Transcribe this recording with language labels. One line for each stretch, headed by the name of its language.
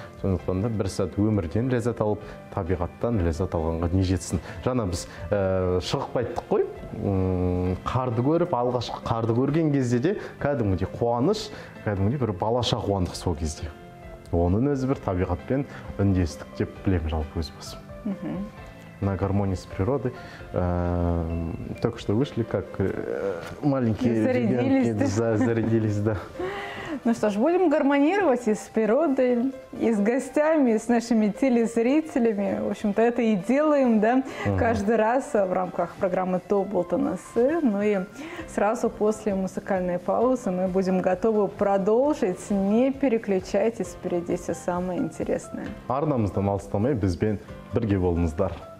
Kazakh: Сондықтан да бір сәт өмірден ләззат алып, табиғаттан ләззат алғанға не жетсін. Жаңа біз шығып айттық қой, қарды көріп, алғашқы қарды көрген кезде де кәдімгідей қуаныш, кәдімгідей бір балаша қуандық сол кезде. Оның өзі бір табиғатпен үндестік деп білемін жалпы өз басым.
Russian: На гармонии с природой. Только что вышли, как маленькие зарядились, ребенки, да, зарядились, да. Ну что ж, будем гармонировать и с природой, и с гостями, и с нашими телезрителями. В общем-то, это и делаем, да, каждый раз в рамках программы «Тобол-Тонас». Ну и сразу после музыкальной паузы мы будем готовы продолжить. Не переключайтесь, впереди все самое интересное.
Kazakh: Арнамыз да малыстамай, бізбен бірге болыңыздар.